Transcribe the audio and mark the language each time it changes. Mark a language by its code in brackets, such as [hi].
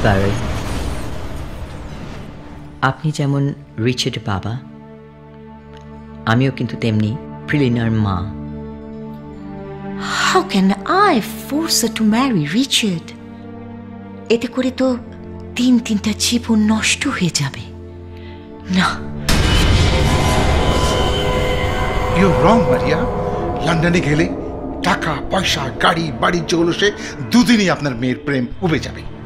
[bn] Barry, আপনি যেমন রিচার্ডের বাবা, আমিও কিন্তু তেমনি প্রিলিনার মা। [en] How can I force her to marry Richard? [bn] এতে করে তো তিন তিনটা জীবন নষ্ট হয়ে যাবে। না, [en] ইউ রং মারিয়া। [bn] লন্ডনে গেলে টাকা পয়সা গাড়ি বাড়ির জলসে দুদিনই আপনার মেয়ের প্রেম উবে যাবে।